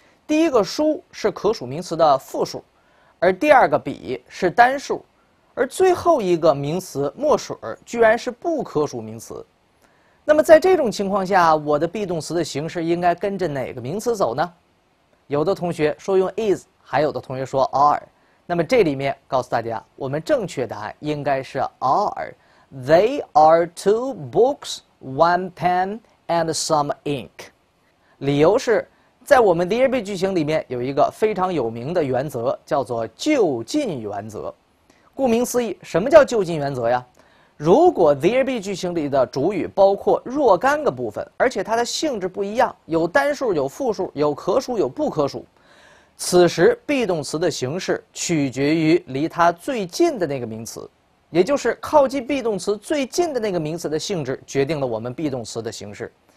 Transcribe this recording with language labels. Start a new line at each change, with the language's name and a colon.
Chinese: 第一个书是可数名词的复数，而第二个笔是单数，而最后一个名词墨水居然是不可数名词。那么在这种情况下，我的 be 动词的形式应该跟着哪个名词走呢？有的同学说用 is， 还有的同学说 are。那么这里面告诉大家，我们正确答案应该是 are。
English: They are two books, one pen, and some ink。
Chinese: 理由是，在我们 there be 句型里面有一个非常有名的原则，叫做就近原则。顾名思义，什么叫就近原则呀？如果 there be 句型里的主语包括若干个部分，而且它的性质不一样，有单数、有复数、有可数、有不可数，此时 be 动词的形式取决于离它最近的那个名词，也就是靠近 be 动词最近的那个名词的性质决定了我们 be 动词的形式。